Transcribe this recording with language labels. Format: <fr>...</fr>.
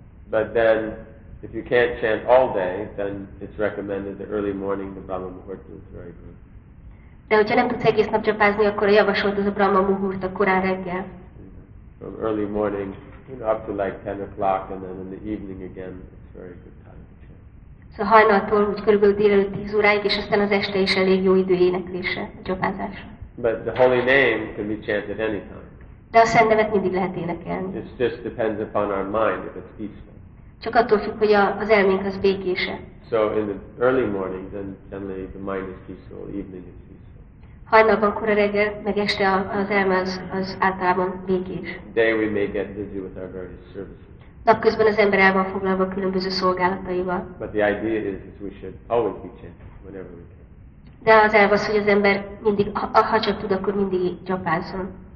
<en>But then, if you can't chant all day, then it's recommended the early morning, the Brahma Muhurta is very good.</en> <hu>De hogyha nem tudsz egész nap japázni, akkor a javasolt az a Brahma Muhurta korán reggel.</hu> <en>From early morning, you know, up to like 10 o'clock, and then in the evening again, it's a very good time to chant.</en> <hu>So hajnaltól, úgy körülbelül délelőtt 10 óráig, és aztán az este is elég jó idő éneklésre, japázásra.</hu> <en>But the holy name can be chanted anytime.</en> <hu>De a szent nevet mindig lehet énekelni.</hu> <en>It just depends upon our mind if it's peaceful.</en> <hu>Csak attól függ, hogy az elménk az békése.</hu> <en>So in the early morning, then generally the mind is peaceful, evening is peaceful.</en> <hu>Hajnalban, kora reggel, meg este az elme az általában békés.</hu> <en>Day we may get busy with our various services.</en> <hu>Napközben az ember el van foglalva a különböző szolgálataival.</hu> <en>But the idea is that we should always be chanting whenever we can.</en> <hu>De az elv az, hogy az ember mindig, ha csak tud, akkor mindig japánszon.</hu>